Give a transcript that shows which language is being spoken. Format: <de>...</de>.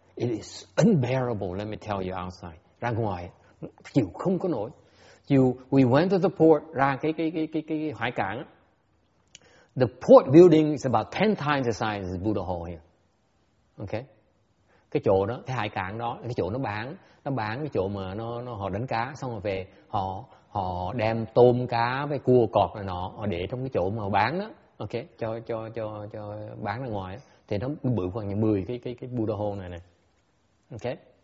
<en>It is unbearable, let me tell you outside.</en> <vi>Ra ngoài, chịu không có nổi.</vi> <en>You, we went to the port,</en> <vi>ra cái hải cảng.</vi> <en>The port building is about 10 times the size of Buddha Hall here. Okay?</en> <vi>Cái chỗ đó, cái hải cảng đó, cái chỗ nó bán cái chỗ mà nó họ đánh cá, xong rồi về, họ đem tôm cá với cua cọt này nọ, họ để trong cái chỗ mà họ bán đó. Okay? Cho bán ra ngoài đó. Thì nó bự khoảng 10 cái Buddha Hall này. Okay.</vi>